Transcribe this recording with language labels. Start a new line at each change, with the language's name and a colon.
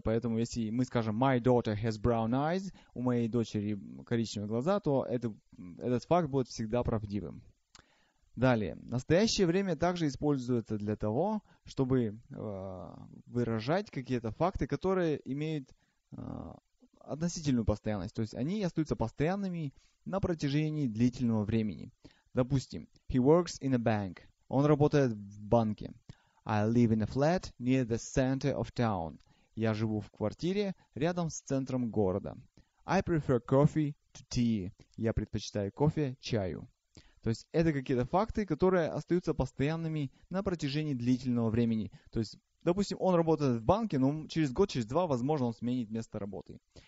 Russian: Поэтому, если мы скажем
English: «My daughter has brown eyes»,
Russian: у моей дочери коричневые глаза, то этот факт будет всегда правдивым. Далее. Настоящее время также используется для того, чтобы выражать какие-то факты, которые имеют относительную постоянность. То есть они остаются постоянными на протяжении длительного времени. Допустим,
English: he works in a bank.
Russian: Он работает в банке.
English: I live in a flat near the center of town.
Russian: Я живу в квартире рядом с центром города.
English: I prefer coffee to tea.
Russian: Я предпочитаю кофе чаю. То есть это какие-то факты, которые остаются постоянными на протяжении длительного времени. То есть, допустим, он работает в банке, но через год, через два, возможно, он сменит место работы.